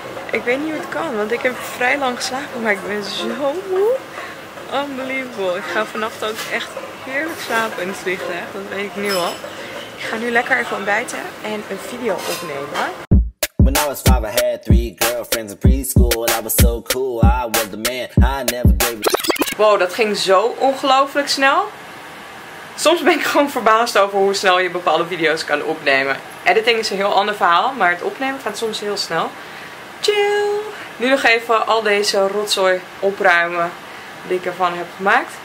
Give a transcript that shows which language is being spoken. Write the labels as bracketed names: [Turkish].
[Dutch] Ik weet niet hoe het kan, want ik heb vrij lang geslapen, maar ik ben zo moe. Unbelievable. Ik ga vannacht ook echt heerlijk slapen in het vliegtuig. Dat weet ik nu al. Ik ga nu lekker even ontbijten en een video opnemen. [English] When I was five, I had three girlfriends in preschool. I was so cool, I was the man. I never gave a... [Dutch] Wow, dat ging zo ongelooflijk snel. Soms ben ik gewoon verbaasd over hoe snel je bepaalde video's kan opnemen. Editing is een heel ander verhaal, maar het opnemen gaat soms heel snel. Chill! Nu nog even al deze rotzooi opruimen die ik ervan heb gemaakt.